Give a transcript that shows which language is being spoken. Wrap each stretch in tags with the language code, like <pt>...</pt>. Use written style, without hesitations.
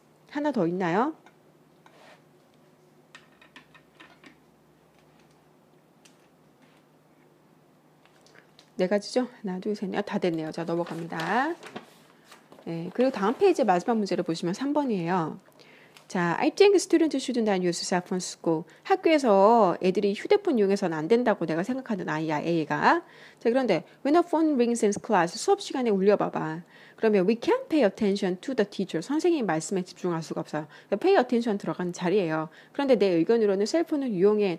<ko>하나 더 있나요? 네 가지죠? 하나, 둘, 셋, 넷. 다 됐네요. 자, 넘어갑니다. 네, 그리고 다음 페이지 마지막 문제를 보시면 3번이에요.</ko> <en>자, I think students should not use cell phone school.</en> <ko>학교에서 애들이 휴대폰 이용해서는 안 된다고 내가 생각하는 아이야, A가. 자, 그런데</ko> <en>when a phone rings in class,</en> <ko>수업 시간에 울려봐봐. 그러면</ko> <en>we can't pay attention to the teacher.</en> <ko>선생님 말씀에 집중할 수가 없어요. pay attention 들어가는 자리예요. 그런데 내 의견으로는 셀폰을 이용해.</ko>